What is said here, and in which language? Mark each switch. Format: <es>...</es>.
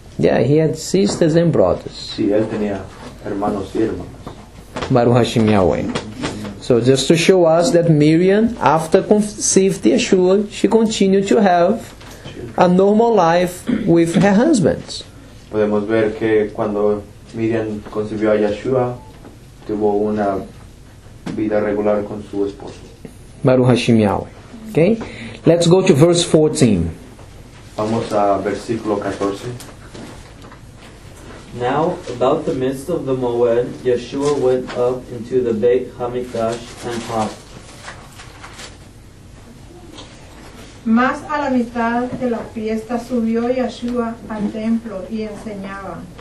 <en>Yeah, he had sisters and brothers.</en> <es>Sí, él tenía hermanos y hermanas.</es> <he>Baruch Hashem Yahweh.</he> <en>So just to show us that Miriam, after conceived Yeshua, she continued to have a normal life with her husband.</en> <es>Podemos ver que cuando Miriam concibió a Yeshua, tuvo una vida regular con su esposo.</es> <he>Baruch Hashem Yahweh.</he> <en>Okay? Let's go to verse 14.</en> <es>Vamos a versículo 14.</es> <en>Now, about the midst of the Moed, Yeshua went up into the Beit Hamikdash and taught.</en> <es>Más a la mitad de la fiesta subió Yeshua al templo y enseñaba.</es>